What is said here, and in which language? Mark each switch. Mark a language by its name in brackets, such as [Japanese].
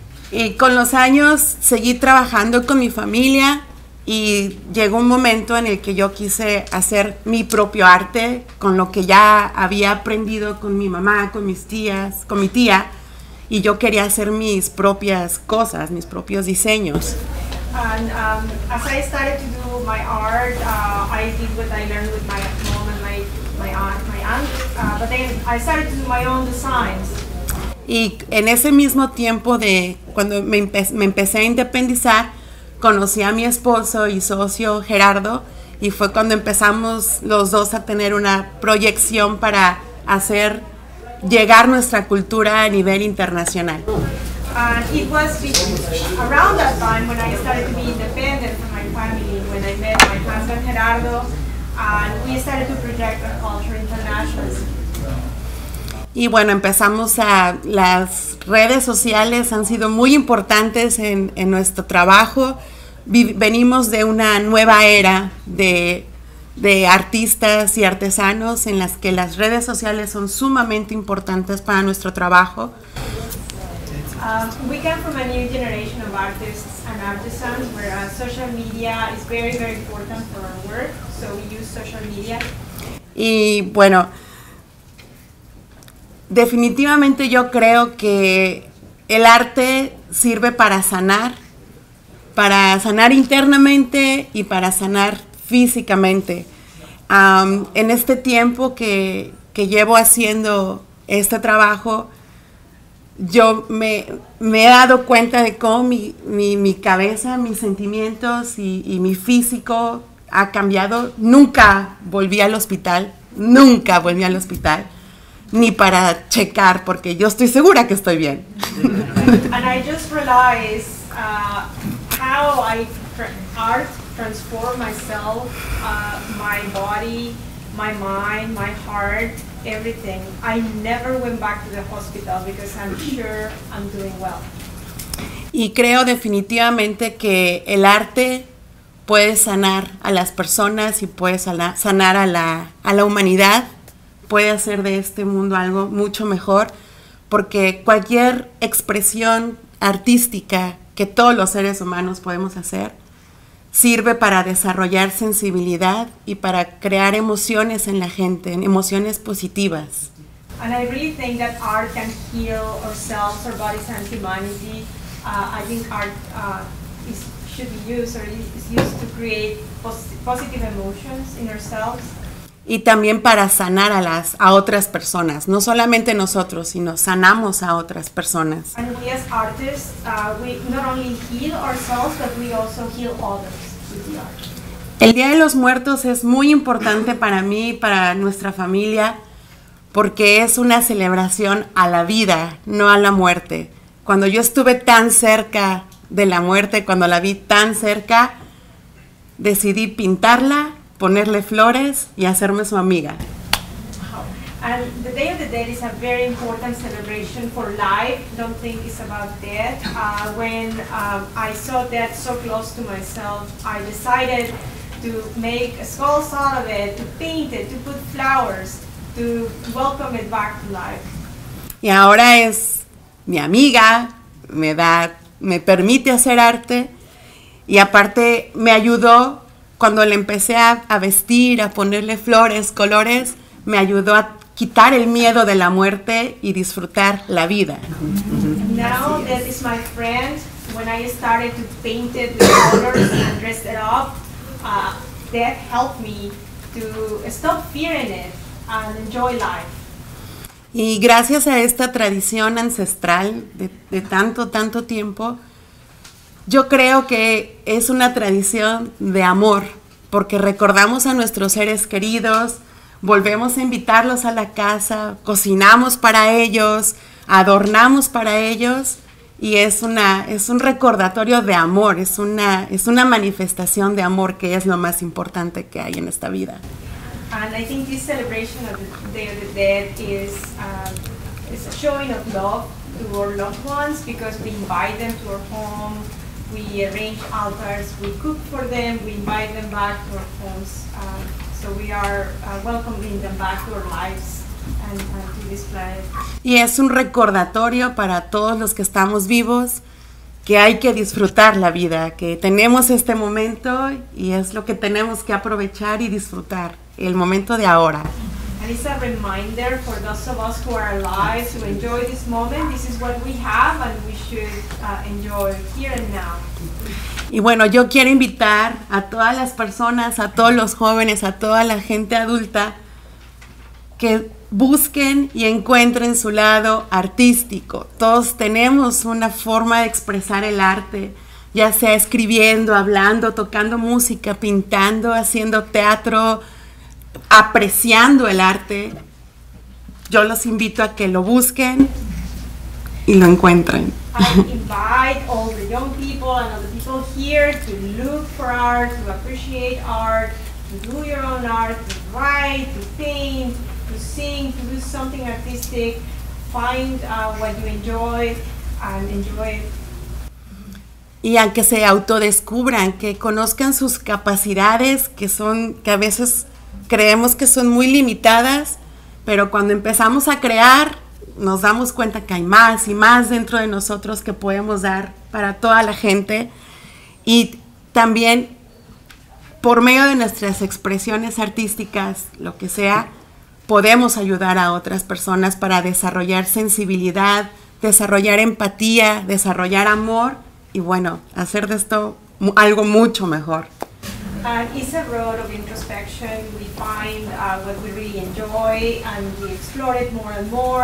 [Spanish] Y con los años seguí trabajando con mi familia y llegó un momento en el que yo quise hacer mi propio arte con lo que ya había aprendido con mi mamá, con mis tías, con mi tía. Y yo quería hacer mis propias cosas, mis propios diseños. [English] And as I started to do my art, I did what I learned with my mom and my aunt, but then I started to do my own designs. [Spanish] Y en ese mismo tiempo de cuando me empecé a independizar, conocí a mi esposo y socio Gerardo, y fue cuando empezamos los dos a tener una proyección para hacer llegar nuestra cultura a nivel internacional. [English] It was around that time when I started to be independent from my family, when I met my husband Gerardo, and we started to project our culture internationally. [Spanish] Y bueno, empezamos a las redes sociales han sido muy importantes en nuestro trabajo. Venimos de una nueva era de artistas y artesanos en las que las redes sociales son sumamente importantes para nuestro trabajo. [English] We come from a new generation of artists and artisans where social media is very, very important for our work, so we use social media. [Spanish] Y bueno, definitivamente yo creo que el arte sirve para sanar internamente y para sanar físicamente. En este tiempo que llevo haciendo este trabajo, yo me he dado cuenta de cómo mi cabeza, mis sentimientos y mi físico ha cambiado. Nunca volví al hospital, ni para checar, porque yo estoy segura que estoy bien. [English] And I just realized how I transform myself, my body, my mind, my heart, everything. I never went back to the hospital because I'm sure I'm doing well. [Spanish] Y creo definitivamente que el arte puede sanar a las personas y puede sanar a la humanidad. Puede hacer de este mundo algo mucho mejor, porque cualquier expresión artística que todos los seres humanos podemos hacer sirve para desarrollar sensibilidad y para crear emociones en la gente, emociones positivas. [English] And I really think that art can heal ourselves, our bodies and humanity. I think art should be used to create positive emotions in ourselves. [Spanish] y también para sanar a las a otras personas, no solamente nosotros, sino sanamos a otras personas. [English] And we as artists, we not only heal ourselves, but we also heal others with the art. [Spanish] El Día de los Muertos es muy importante para mí y para nuestra familia porque es una celebración a la vida, no a la muerte. Cuando yo estuve tan cerca de la muerte, cuando la vi tan cerca, decidí pintarla, ponerle flores y hacerme su amiga. [English] And the Day of the Dead is a very important celebration for life. Don't think it's about death. When I saw death so close to myself, I decided to make skulls out of it, to paint it, to put flowers, to welcome it back to life. [Spanish] Y ahora es mi amiga, me da, me permite hacer arte, y aparte me ayudó cuando le empecé a vestir, a ponerle flores, colores, me ayudó a quitar el miedo de la muerte y disfrutar la vida. [English] Now that is my friend. When I started to paint it with colors and dress it up, death helped me to stop fearing it and enjoy life. [Spanish] Y gracias a esta tradición ancestral de tanto tiempo, yo creo que es una tradición de amor, porque recordamos a nuestros seres queridos, volvemos a invitarlos a la casa, cocinamos para ellos, adornamos para ellos, y es un recordatorio de amor, es una manifestación de amor que es lo más importante que hay en esta vida. [English] And I think this celebration of the Day of the Dead is a showing of love to our loved ones, because we invite them to our home, we arrange altars, we cook for them, we invite them back to our homes. So we are welcoming them back to our lives and to this planet. [Spanish] Y es un recordatorio para todos los que estamos vivos que hay que disfrutar la vida, que tenemos este momento y es lo que tenemos que aprovechar y disfrutar. El momento de ahora. [English] And it's a reminder for those of us who are alive to enjoy this moment. This is what we have and we should enjoy here and now. [Spanish] Y bueno, yo quiero invitar a todas las personas, a todos los jóvenes, a toda la gente adulta que busquen y encuentren su lado artístico. Todos tenemos una forma de expresar el arte, ya sea escribiendo, hablando, tocando música, pintando, haciendo teatro, apreciando el arte. Yo los invito a que lo busquen y lo encuentren. [English] I invite all the young people and all the people here to look for art, to appreciate art, to do your own art, to write, to paint, to sing, to do something artistic. Find what you enjoy and enjoy it. [Spanish] Y a que se autodescubran, que conozcan sus capacidades, que son, que a veces creemos que son muy limitadas, pero cuando empezamos a crear, nos damos cuenta que hay más y más dentro de nosotros que podemos dar para toda la gente. Y también, por medio de nuestras expresiones artísticas, lo que sea, podemos ayudar a otras personas para desarrollar sensibilidad, desarrollar empatía, desarrollar amor y, bueno, hacer de esto algo mucho mejor. [English] It's a road of introspection. We find what we really enjoy, and we explore it more and more.